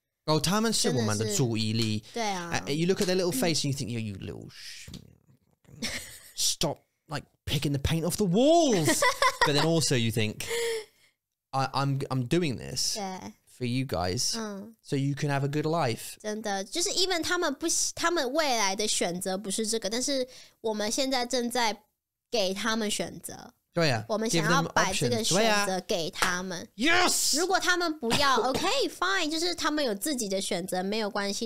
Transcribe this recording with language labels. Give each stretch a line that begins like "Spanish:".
Chinese: Oh, 他们是我们的注意力。对啊。
English: You look at their little face and you think, you little stop like picking the paint off the walls. But then also you think, I'm doing this for you guys. So you can have a good life.
Chinese: 真的。就是 even 他们未来的选择不是这个，但是我们现在正在给他们选择。对啊，我们想要摆这个选择给他们。啊、yes，如果他们不要， OK， fine，就是他们有自己的选择，没有关系。